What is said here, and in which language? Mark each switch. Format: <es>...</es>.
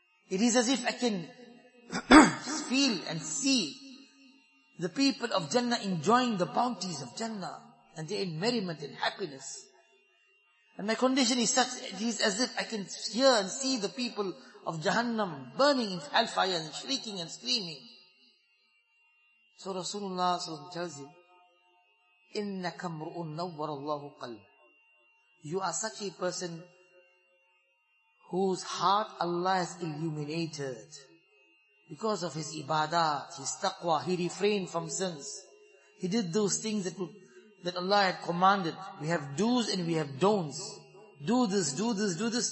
<en>It is as if I can feel and see the people of Jannah enjoying the bounties of Jannah and their merriment and happiness. And my condition is such, it is as if I can hear and see the people of Jahannam burning in hellfire and shrieking and screaming. So Rasulullah tells him,</en> <ar>إِنَّكَ مْرُؤٌ نَوَّرَ اللَّهُ قَلْبِ.</ar> <en>You are such a person whose heart Allah has illuminated because of his ibadat, his taqwa. He refrained from sins. He did those things that Allah had commanded. We have do's and we have don'ts. Do this, do this, do this.</en>